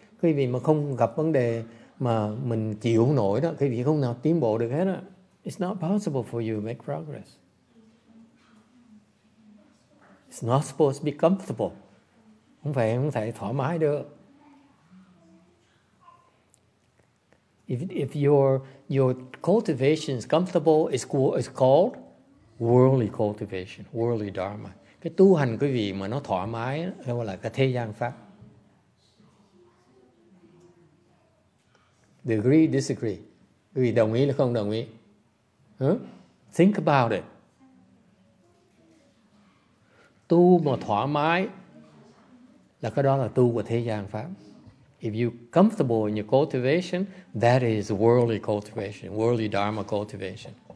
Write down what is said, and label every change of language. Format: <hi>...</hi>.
<vi>Quý vị mà không gặp vấn đề mà mình chịu không nổi đó, quý vị không nào tiến bộ được hết á.</vi> <en>It's not possible for you to make progress. It's not supposed to be comfortable.</en> <vi>Không thể thoải mái được.</vi> <en>If your cultivation is comfortable, it's called worldly cultivation, worldly dharma.</en> <vi>Cái tu hành quý vị mà nó thoải mái gọi là cái thế gian pháp.</vi> <en>Do you agree, disagree?</en> <vi>Quý vị đồng ý là không đồng ý?</vi> <en>Huh? Think about it.</en> <vi>Tu mà thoải mái là cái đó là tu của thế gian pháp.</vi> <en>If you comfortable in your cultivation, that is worldly cultivation, worldly dharma cultivation.</en>